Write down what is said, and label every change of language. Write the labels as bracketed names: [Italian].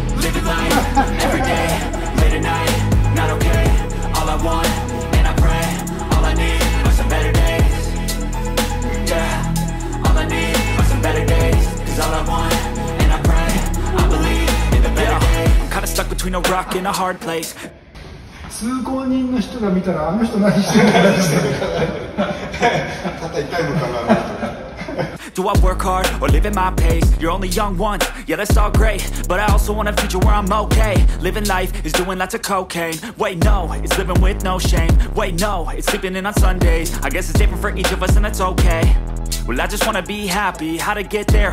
[English] Living life, every day, late at night, not okay. All I want, and I pray, all I need are some better days. Yeah, all I need are some better days. Cause all I want, and I pray, I believe in the better days. I'm kinda stuck between a rock and a hard place. [Japanese] 通行人の人が見たら、あの人何してるんだろう。肩痛いのかな。 [English] Do I work hard or live at my pace? You're only young once, yeah that's all great. But I also want a future where I'm okay. Living life is doing lots of cocaine. Wait no, it's living with no shame. Wait no, it's sleeping in on Sundays. I guess it's different for each of us and that's okay. Well I just want to be happy. How to get there?